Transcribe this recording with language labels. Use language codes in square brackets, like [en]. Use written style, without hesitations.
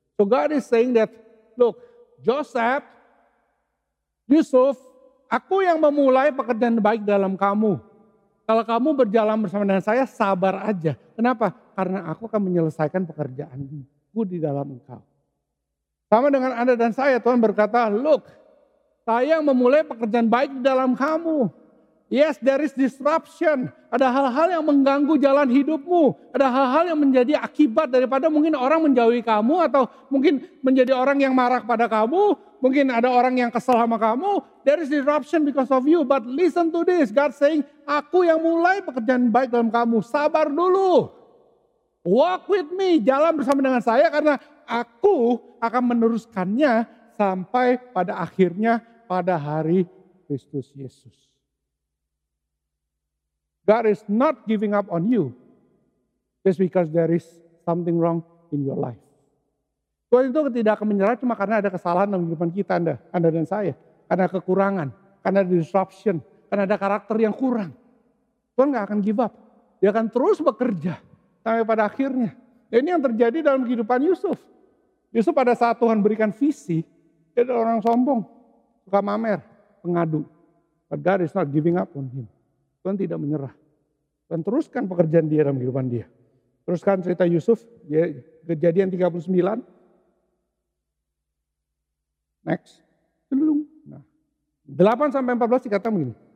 [en] So God is saying that, look, [id] Joseph, Yusuf, aku yang memulai pekerjaan baik dalam kamu. Kalau kamu berjalan bersama dengan saya, sabar aja. Kenapa? Karena aku akan menyelesaikan pekerjaanku di dalam engkau. Sama dengan Anda dan saya, Tuhan berkata, look, saya yang memulai pekerjaan baik di dalam kamu. [en] Yes, there is disruption. [id] Ada hal-hal yang mengganggu jalan hidupmu. Ada hal-hal yang menjadi akibat daripada mungkin orang menjauhi kamu atau mungkin menjadi orang yang marah pada kamu. Mungkin ada orang yang kesal sama kamu. [en] There is disruption because of you. But listen to this. God saying, [id] aku yang mulai pekerjaan baik dalam kamu. Sabar dulu. [en] Walk with me. [id] Jalan bersama dengan saya karena aku akan meneruskannya sampai pada akhirnya pada hari Kristus Yesus. [en] God is not giving up on you just because there is something wrong in your life. [id] Tuhan itu tidak akan menyerah cuma karena ada kesalahan dalam kehidupan kita, Anda dan saya. Karena kekurangan, karena disruption, karena ada karakter yang kurang. Tuhan gak akan [en] give up. [id] Dia akan terus bekerja sampai pada akhirnya. Dan ini yang terjadi dalam kehidupan Yusuf. Yusuf pada saat Tuhan berikan visi, dia adalah orang sombong, suka mamer, pengadu. [en] But God is not giving up on him. [id] Tuhan tidak menyerah. Tuhan teruskan pekerjaan dia dalam kehidupan dia. Teruskan cerita Yusuf, Kejadian 39. Next. 8-14 dikatakan begini.